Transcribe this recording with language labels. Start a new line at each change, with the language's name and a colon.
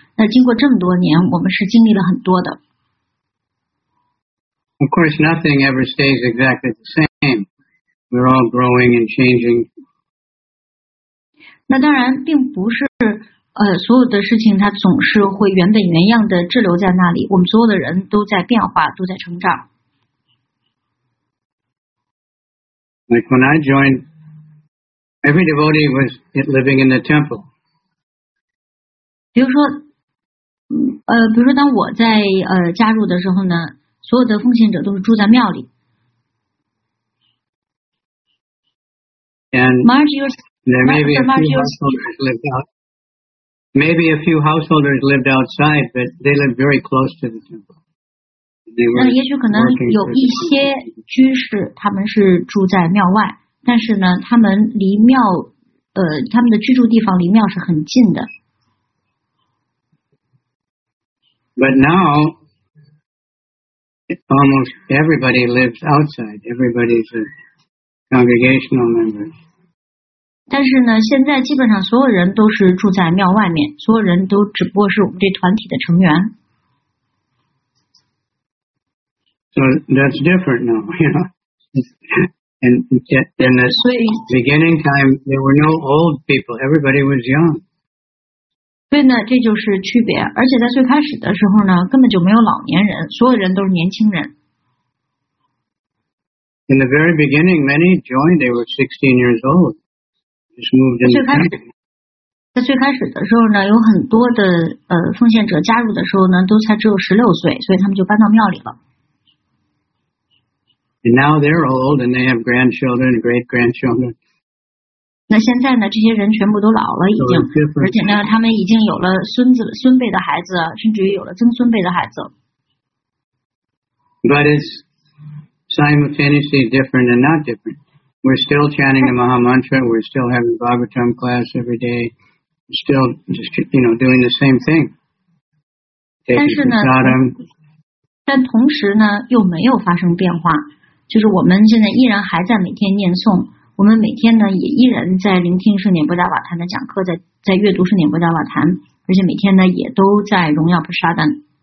Chinese: 那经过这么多年，我们是经历了很多的。
English: Of course, nothing ever stays exactly the same. We're all growing and changing.
Chinese: 那当然并不是所有的事情它总是会原本原样的滞留在那里。我们所有的人都在变化，都在成长。
English: Like when I joined, every devotee was living in the temple.
Chinese: 比如说当我在加入的时候呢，所有的奉献者都是住在庙里。
English: And Marjorie, there may be a few householders lived out. Maybe a few householders lived outside, but they lived very close to the temple.
Chinese: 那也许可能有一些居士他们是住在庙外，但是呢他们离庙他们的居住地方离庙是很近的。
English: But now almost everybody lives outside. Everybody's a congregational member.
Chinese: 但是呢现在基本上所有人都是住在庙外面，所有人都只不过是我们这团体的成员。
English: So that's different now, you know. And in the beginning time, there were no old people. Everybody was young.
Chinese: 对呢，这就是区别。而且在最开始的时候呢，根本就没有老年人，所有人都是年轻人。
English: In the very beginning, many joined. They were 16 years old. Just moved in the country.
Chinese: 在最开始的时候呢，有很多的奉献者加入的时候呢，都才只有16岁，所以他们就搬到庙里了。
English: And now they're old and they have grandchildren and great-grandchildren.
Chinese: 那现在呢，这些人全部都老了已经，而且呢，他们已经有了孙子、孙辈的孩子，甚至于有了曾孙辈的孩子。
English: But it's simultaneously different and not different. We're still chanting the Maha Mantra. We're still having Bhagavatam class every day. We're still just, you know, doing the same thing.
Chinese: 但是呢，但同时呢，又没有发生变化。就是我们现在依然还在每天念诵，我们每天呢也依然在聆听圣典波达瓦坛的讲课，在阅读圣典波达瓦坛，而且每天呢也都在荣耀普沙丹。